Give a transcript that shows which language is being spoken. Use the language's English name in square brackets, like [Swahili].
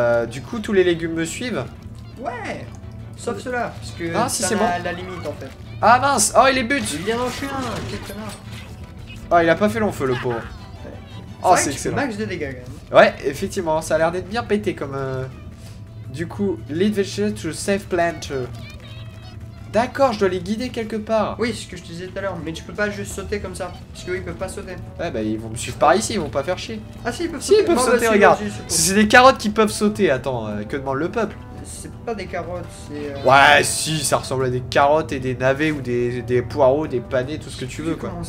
[French] Du coup, tous les légumes me suivent. Ouais. Sauf ceux-là. Parce que ah, si, c'est bon. La limite en fait. Ah mince, oh, il est but. Il vient d'en chier un. Quel connard. Oh, il a pas fait long feu, le pauvre. C'est oh, c'est excellent. Max de dégâts quand même. Ouais, effectivement, ça a l'air d'être bien pété comme. Du coup, [English] lead vegetables to safe plant. [French] D'accord, je dois les guider quelque part. Oui, c'est ce que je te disais tout à l'heure, mais tu peux pas juste sauter comme ça. Parce que oui, ils peuvent pas sauter. Ouais, bah ils vont me suivre par ici, ils vont pas faire chier. Ah si, ils peuvent si, sauter. Ils peuvent non, sauter, bah, regarde. Si, c'est des carottes qui peuvent sauter, attends, que demande le peuple? C'est pas des carottes, c'est. Ouais, si, ça ressemble à des carottes et des navets ou des poireaux, des panais, tout ce que tu veux quoi.